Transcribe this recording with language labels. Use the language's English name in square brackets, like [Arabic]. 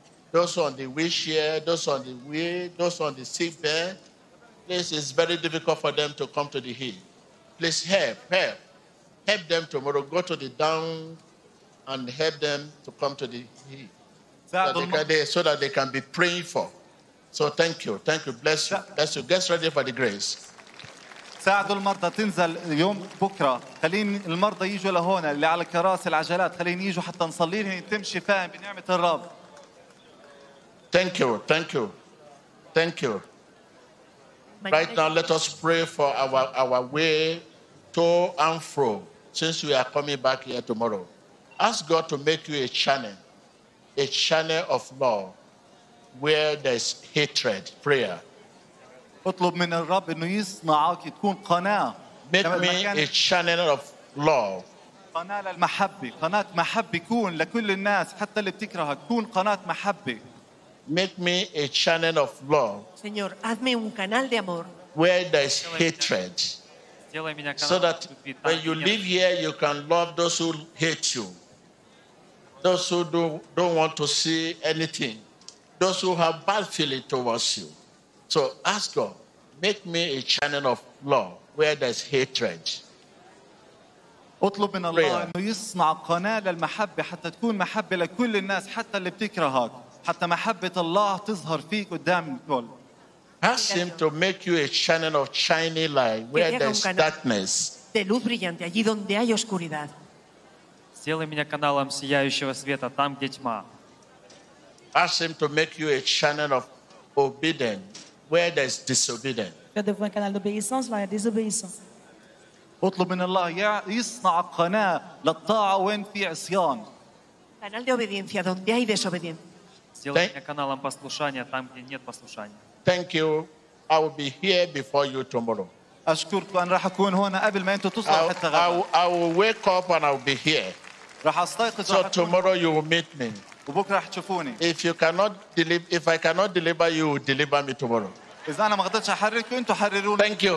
[English] Those on the wheelchair, those on the wheel, those on the sick bed. Please, it's very difficult for them to come to the hill. Please help them tomorrow. Go to the down and help them to come to the hill so that they can be praying for. So thank you, bless you. Get ready for the grace. [Arabic] ساعدوا المرضى تنزل يوم بكرة. خلين المرضى يجوا لهون اللي على الكراسي العجلات. خلين يجوا حتى نصلي لهم يتم شفاهم بنعمة الرب. [English] Thank you. Right now, let us pray for our way to and fro, since we are coming back here tomorrow. Ask God to make you a channel of love, where there is hatred, prayer. Make me a channel of love. [Arabic] قناة للمحبة. قناة محبة كون لكل الناس حتى اللي بتكرهك. كون قناة محبة. [English] Make me a channel of love. [Spanish] Señor, hazme un canal de amor. [English] Where there is hatred. So that when you live here, you can love those who hate you. Those who don't want to see anything. Those who have bad feelings towards you. So ask God, make me a channel of love where there is hatred. [Arabic] اطلب من الله انه يصنع قناة للمحبة حتى تكون محبة لكل الناس حتى اللي بتكرهك. حتى محبة الله تظهر فيك قدام الكل. [English] Ask him to make you a channel of shining light where there's darkness. [Spanish] De luz brillante allí donde hay oscuridad. [Russian] Сделай меня каналом сияющего света там, где тьма. [English] Ask him to make you a channel of obedience where there's disobedience. [Spanish] De un canal de obediencia donde hay desobediencia. [Arabic] اطلب من الله يصنع قناة للطاعة وين في عصيان. [Spanish] Canal de obediencia donde hay desobediencia. [Russian] Сделай меня каналом послушания там, где нет послушания. [English] Thank you. I will be here before you tomorrow. [Arabic] أشكرك وأنا راح أكون هنا قبل ما أنتوا تصلوا حتى غدا. [English] I will wake up and I will be here. [Arabic] راح أستيقظ. [English] So tomorrow you will meet me. [Arabic] وبكرة راح تشوفوني. [English] If I cannot deliver, you will deliver me tomorrow. [Arabic] إذا أنا ما قدرتش أحرر أنتوا حرروني.